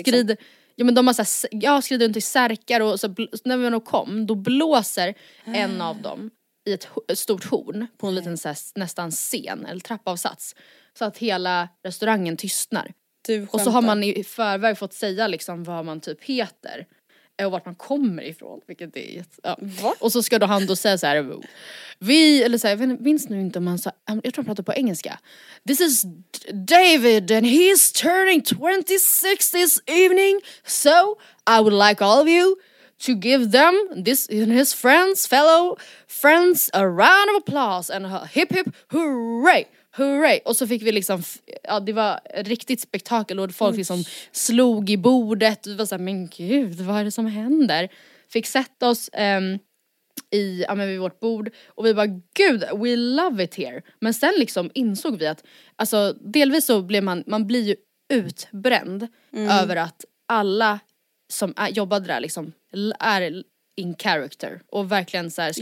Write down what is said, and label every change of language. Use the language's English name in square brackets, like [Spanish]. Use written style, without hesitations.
[Swedish] Skrider, ja men de har så här, jag skrider runt i särkar och så när vi nog kom då blåser en av dem i ett stort horn på en liten så här, nästan scen eller trappavsats så att hela restaurangen tystnar. Och så har man i förväg fått säga liksom vad man typ heter och vart man kommer ifrån, vilket det är och så ska då han då säga så här, vi eller så här, minns nu inte om man sa, jag tror han pratade på engelska. [English] This is David and he's turning 26 this evening. So I would like all of you to give them this and his friends, fellow friends a round of applause and a hip hip hooray. Hurray! [Swedish] Och så fick vi liksom, ja det var riktigt spektakel och folk liksom slog i bordet. Vi var såhär, men gud, vad är det som händer? Fick sätta oss vid vårt bord och vi bara, gud, [English] we love it here. [Swedish] Men sen liksom insåg vi att, alltså delvis så blev man blir ju utbränd över att alla som jobbade där liksom är in character. Och verkligen såhär ska